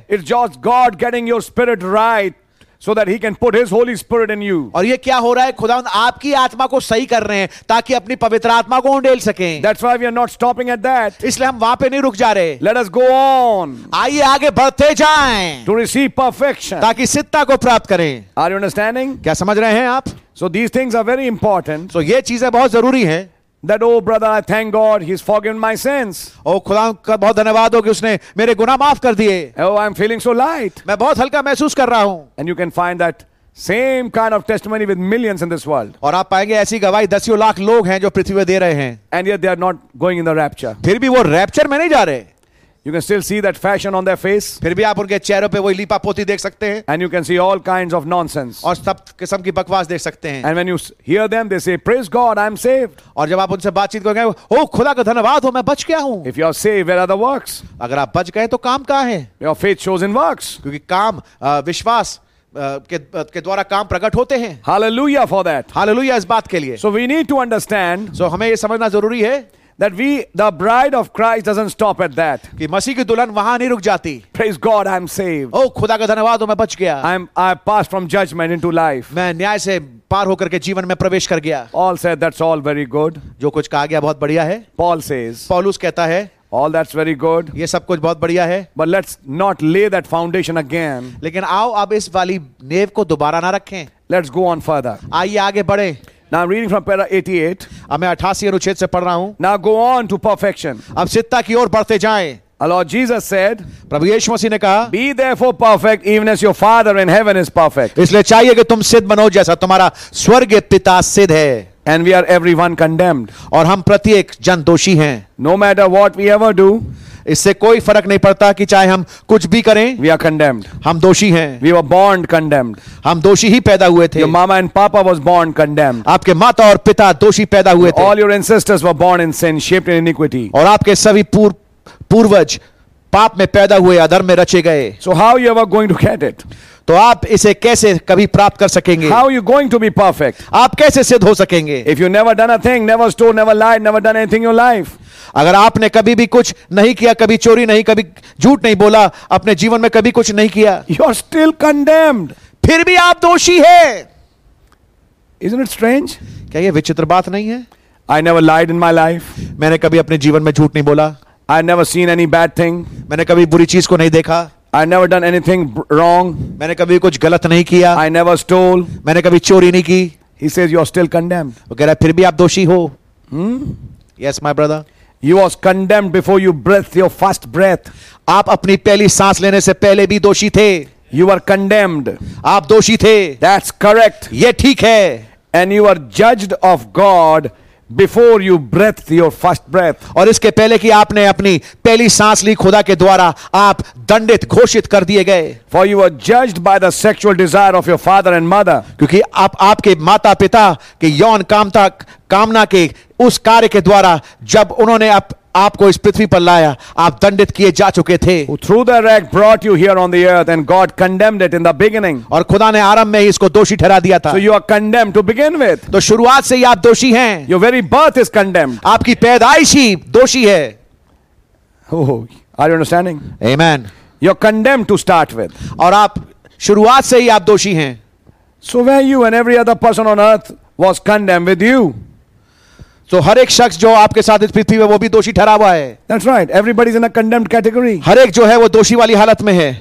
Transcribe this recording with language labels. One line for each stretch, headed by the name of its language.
English: It's just God getting your spirit right. So that he can put his Holy Spirit in you.
Hindi: और ये क्या हो रहा है? खुदावंद आपकी आत्मा को सही कर रहे हैं ताकि अपनी पवित्र आत्मा को उंडेल सकें.
English: That's why we are not stopping at that.
Hindi: इसलिए हम वहाँ पे नहीं रुक जा रहे.
English: Let us go on.
Hindi: आइए आगे बढ़ते जाएं.
English: To receive perfection.
Hindi: ताकि सिद्धता को प्राप्त करें.
English: Are you understanding?
Hindi: क्या समझ रहे हैं आप?
English: So these things are very important.
Hindi: So ये चीजें बहुत जरूरी हैं.
English: That oh brother, I thank God, He's forgiven my sins.
Hindi: Oh, खुदावंद का बहुत धन्यवाद हो कि उसने मेरे गुनाह माफ कर दिए.
English: Oh, I'm feeling so light.
Hindi: मैं बहुत हल्का महसूस कर रहा हूँ.
English: And you can find that same kind of testimony with millions in this world.
Hindi: और आप पाएंगे ऐसी गवाही दसियों लाख लोग हैं जो पृथ्वी पर दे रहे हैं.
English: And yet they are not going in the rapture.
Hindi: फिर भी वो रैप्चर में नहीं जा रहे.
English: You can still see that fashion on their face.
Hindi: फिर भी आप उनके चेहरों पे वही लीपापोती देख सकते हैं.
English: And you can see all kinds of nonsense.
Hindi: और सब किस्म की बकवास देख सकते हैं.
English: And when you hear them, they say, "Praise God, I'm saved."
Hindi: और जब आप उनसे बातचीत करोगे, ओ खुदा का धन्यवाद हो, मैं बच गया हूँ.
English: If you are saved, where are the works?
Hindi: अगर आप बच गए, तो काम कहाँ है?
English: Your faith shows in works.
Hindi: क्योंकि काम विश्वास के द्वारा काम प्रकट होते हैं.
English: Hallelujah for that.
Hindi: Hallelujah इस बात के लिए.
English: So we need to understand.
Hindi: So हमें ये समझना जरूरी है.
English: That we, the bride of Christ, doesn't stop at that.
Hindi: कि मसीह की दुल्हन वहाँ नहीं रुक जाती.
English: Praise God, I'm saved.
Hindi: Oh, खुदा का धन्यवाद हो, मैं बच गया.
English: I passed from judgment into life.
Hindi: मैं न्याय से पार होकर के जीवन में प्रवेश कर गया.
English: All said that's all very good.
Hindi: जो कुछ कहा गया बहुत बढ़िया है.
English: Paul says.
Hindi: पौलुस कहता है.
English: All that's very good.
Hindi: ये सब कुछ बहुत बढ़िया है.
English: But let's not lay that foundation again.
Hindi: लेकिन आओ अब इस वाली नेव को दोबारा ना रखें.
English: Let's go on further.
Hindi: आइए आगे बढ़े.
English: Now I'm reading from para 88.
Hindi: अब मैं 88 अनुच्छेद से पढ़ रहा हूँ.
English: Now go on to perfection.
Hindi: अब सिद्धता की ओर बढ़ते जाएं.
English: Our Lord Jesus said.
Hindi: प्रभु यीशु मसीह ने कहा.
English: Be therefore perfect, even as your Father in heaven is perfect.
Hindi: इसलिए चाहिए कि तुम सिद्ध बनो जैसा तुम्हारा स्वर्गीय पिता सिद्ध है.
English: And we are everyone condemned.
Hindi: और हम प्रत्येक जन दोषी हैं.
English: No matter what we ever do.
Hindi: इससे कोई फर्क नहीं पड़ता कि चाहे हम कुछ भी करें.
English: We are condemned.
Hindi: हम दोषी हैं.
English: We were born condemned.
Hindi: हम दोषी ही पैदा हुए थे.
English: Your mama and papa was born condemned.
Hindi: आपके माता और पिता दोषी पैदा हुए थे.
English: All your ancestors were born in sin, shaped in iniquity.
Hindi: और आपके सभी पूर्वज पाप में पैदा हुए, अधर्म में रचे गए.
English: So how you ever going to get it?
Hindi: तो आप इसे कैसे कभी प्राप्त कर सकेंगे?
English: How you going to be perfect?
Hindi: आप कैसे सिद्ध हो सकेंगे?
English: If you never done a thing, never stole, never lied, never done anything in your life.
Hindi: अगर आपने कभी भी कुछ नहीं किया, कभी चोरी नहीं, कभी झूठ नहीं बोला, अपने जीवन में कभी कुछ नहीं किया,
English: you are still condemned.
Hindi: फिर भी आप दोषी हैं.
English: Isn't it strange?
Hindi: क्या ये विचित्र बात नहीं है?
English: I never lied in my life.
Hindi: मैंने कभी अपने जीवन में झूठ नहीं बोला.
English: I never seen any bad thing.
Hindi: मैंने कभी बुरी चीज को नहीं देखा.
English: I never done anything wrong.
Hindi: मैंने कभी कुछ गलत नहीं किया.
English: I never stole.
Hindi: मैंने कभी चोरी नहीं की.
English: He says you are still condemned.
Hindi: वो कह रहा है फिर भी आप दोषी हो. Hmm?
English: Yes, my brother. You was condemned before you breathed your first breath.
Hindi: आप अपनी पहली सांस लेने से पहले भी दोषी थे.
English: You were condemned.
Hindi: आप दोषी थे.
English: That's correct.
Hindi: ये ठीक है.
English: And you were judged of God before you breathed your first breath.
Hindi: और इसके पहले कि आपने अपनी पहली सांस ली, खुदा के द्वारा आप दंडित घोषित कर दिए गए.
English: For you were judged by the sexual desire of your father and mother.
Hindi: क्योंकि आप आपके माता पिता के यौन कामता कामना के उस कार्य के द्वारा जब उन्होंने आपको इस पृथ्वी पर लाया, आप दंडित किए जा चुके थे.
English: Through the rack brought you here on the earth and God condemned it in the beginning.
Hindi: और खुदा ने आरंभ में ही इसको दोषी ठहरा दिया था.
English: So you are condemned to begin with.
Hindi: तो शुरुआत से ही आप दोषी हैं.
English: Your very birth is condemned.
Hindi: आपकी पैदाइश ही दोषी है.
English: Oh, are you understanding? Amen. You are condemned to start with.
Hindi: और आप शुरुआत से ही आप दोषी हैं.
English: So where you and every other person on earth was condemned with you.
Hindi: तो हर एक शख्स जो आपके साथ इस पृथ्वी में, वो भी दोषी ठहरा हुआ है.
English: That's right. Everybody's in a condemned category.
Hindi: हर एक जो है वो दोषी वाली हालत में है.